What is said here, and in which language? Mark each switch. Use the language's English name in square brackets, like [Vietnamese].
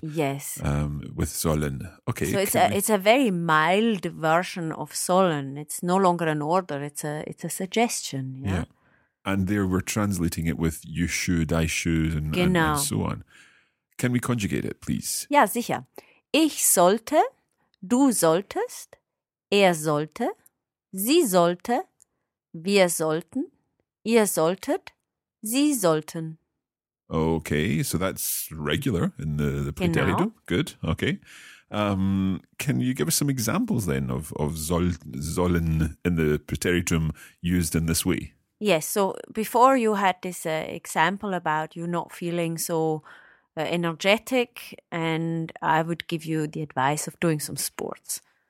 [English] Yes. With sollen. Okay. So it's a very mild version of sollen. It's no longer an order. It's a suggestion. Yeah. And there we're translating it with you should, I should, and so on. Can we conjugate it, please? [German] Ja, sicher. Ich sollte, du solltest, er sollte, sie sollte, wir sollten. Ihr solltet, sie sollten. [English] Okay, so that's regular in the preteritum. [German] Genau. [English] Good, okay. Can you give us some examples then of sollen in the preteritum used in this way? Yes, so before you had this example about you not feeling so energetic and I would give you the advice of doing some sports.